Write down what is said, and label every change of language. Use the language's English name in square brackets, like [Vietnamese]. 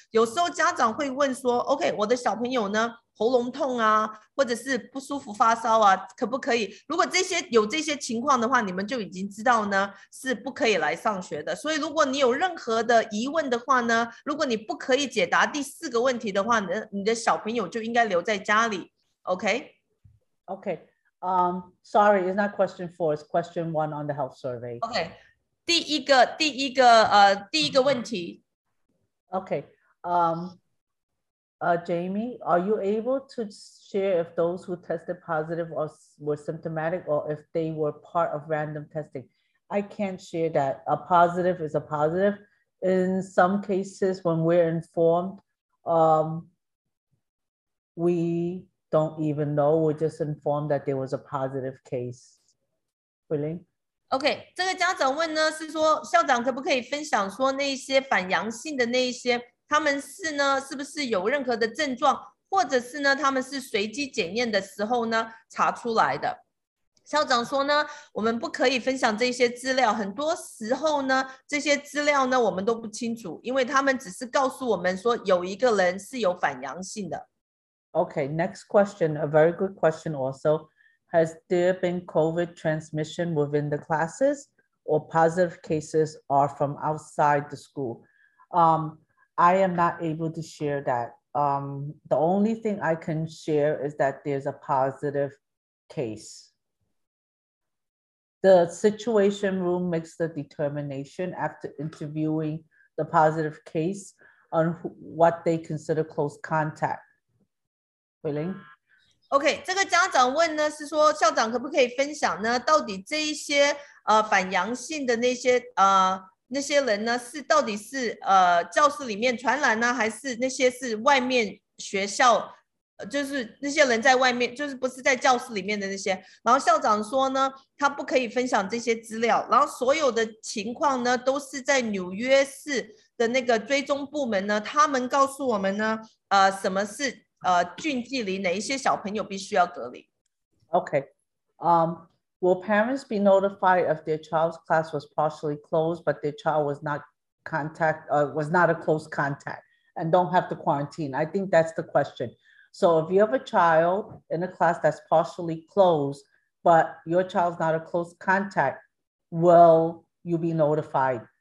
[Chinese] 有时候家长会问说 OK， 我的小朋友呢喉咙痛啊或者是不舒服发烧啊可不可以，如果这些有这些情况的话，你们就已经知道呢是不可以来上学的。所以如果你有任何的疑问的话呢，如果你不可以解答第四个问题的话，你的小朋友就应该留在家里。 [English] OK OK sorry, it's not question four, it's question one on the health survey. [Chinese] Okay, 第一个问题。 [English] Okay, Jamie, are you able to share if those who tested positive or were symptomatic or if they were part of random testing? I can't share that. A positive is a positive. In some cases, when we're informed, we... don't even know, we're just informed that there was a positive case. Willing? [Chinese] Okay, 这个家长问呢是说校长可不可以分享说那些反阳性的那些他们是呢是不是有任何的症状，或者是呢他们是随机检验的时候呢查出来的。校长说呢我们不可以分享这些资料，很多时候呢这些资料呢我们都不清楚，因为他们只是告诉我们说有一个人是有反阳性的。 [English] Okay, next question, a very good question also. Has there been COVID transmission within the classes or positive cases are from outside the school? I am not able to share that. The only thing I can share is that there's a positive case. The situation room makes the determination after interviewing the positive case on what they consider close contact. [Chinese] OK, 这个家长问呢是说校长可不可以分享呢到底这一些反阳性的那些人呢是到底是教室里面传染呢，还是那些是外面学校就是那些人在外面，就是不是在教室里面的那些。然后校长说呢他不可以分享这些资料，然后所有的情况呢都是在纽约市的那个追踪部门呢他们告诉我们呢什么是近距离哪一些小朋友必须要隔离。 [English] Okay, will parents be notified if their child's class was partially closed but their child was not contact was not a close contact and don't have to quarantine? I think that's the question. So if you have a child in a class that's partially closed but your child's not a close contact, will you be notified?